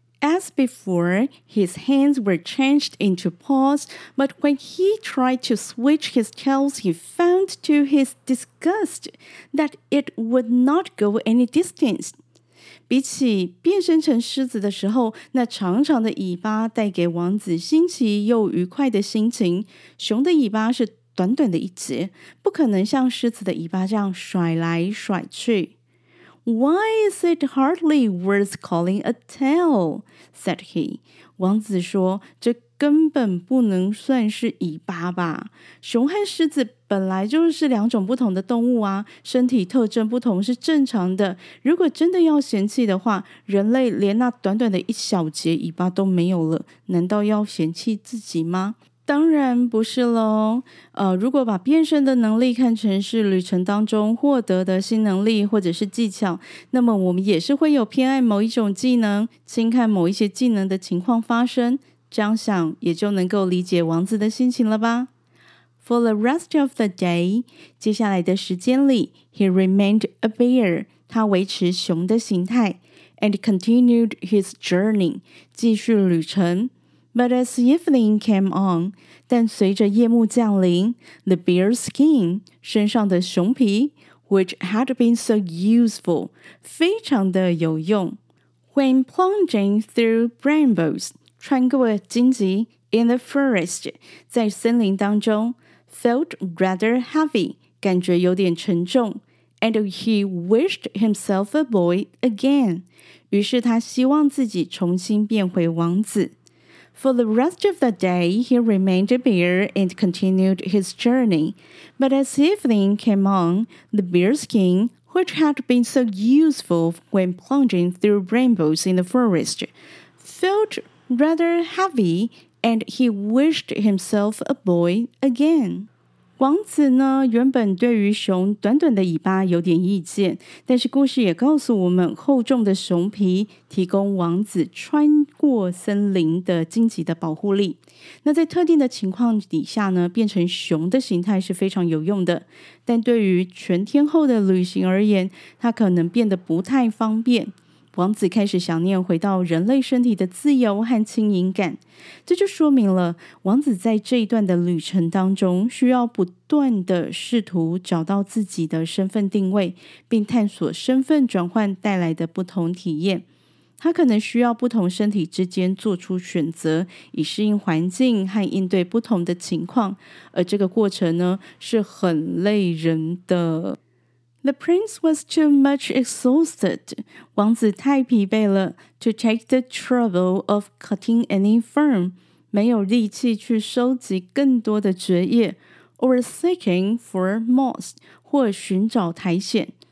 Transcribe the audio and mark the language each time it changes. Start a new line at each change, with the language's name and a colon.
English: As before, his hands were changed into paws, but when he tried to switch his tails, he found to his disgust that it would not go any distance.
Chinese: 比起变身成狮子的时候，那长长的尾巴带给王子新奇又愉快的心情，熊的尾巴是短短的一截，不可能像狮子的尾巴这样甩来甩去。
English: Why is it hardly worth calling a tail? said he.
Chinese: 王子说，这根本不能算是尾巴吧。熊和狮子本来就是两种不同的动物啊，身体特征不同是正常的。如果真的要嫌弃的话，人类连那短短的一小节尾巴都没有了，难道要嫌弃自己吗？当然不是咯。如果把变身的能力看成是旅程当中获得的新能力或者是技巧，那么我们也是会有偏爱某一种技能，轻看某一些技能的情况发生。这样想也就能够理解王子的心情了吧。
English: For the rest of the day,
Chinese: 接下来的时间里
English: he remained a bear,
Chinese: 他维持熊的形态
English: and continued his journey,
Chinese: 继续旅程。
English: But as evening came on,
Chinese: 但随着夜幕降临
English: the bear's skin,
Chinese: 身上的熊皮
English: which had been so useful,
Chinese: 非常的有用。
English: When plunging through brambles,
Chinese: 穿过荆棘
English: in the forest,
Chinese: 在森林当中
English: felt rather heavy,
Chinese: 感觉有点沉重
English: and he wished himself a boy again.
Chinese: 于是他希望自己重新变回王子。
English: For the rest of the day, he remained a bear and continued his journey. But as evening came on, the bear's skin, which had been so useful when plunging through rainbows in the forest, felt rather heavy and he wished himself a boy again.
Chinese: 王子呢，原本对于熊短短的尾巴有点意见，但是故事也告诉我们，厚重的熊皮提供王子穿过森林的荆棘的保护力。那在特定的情况底下呢，变成熊的形态是非常有用的，但对于全天候的旅行而言，它可能变得不太方便。王子开始想念回到人类身体的自由和轻盈感，这就说明了王子在这一段的旅程当中需要不断地试图找到自己的身份定位，并探索身份转换带来的不同体验。他可能需要不同身体之间做出选择，以适应环境和应对不同的情况，而这个过程呢，是很累人的。
English: The prince was too much exhausted,
Chinese: 王子太疲惫了
English: to take the trouble of cutting any fur,
Chinese: 没有力气去收集更多的蕨叶
English: or seeking for moss,
Chinese: 或寻找苔藓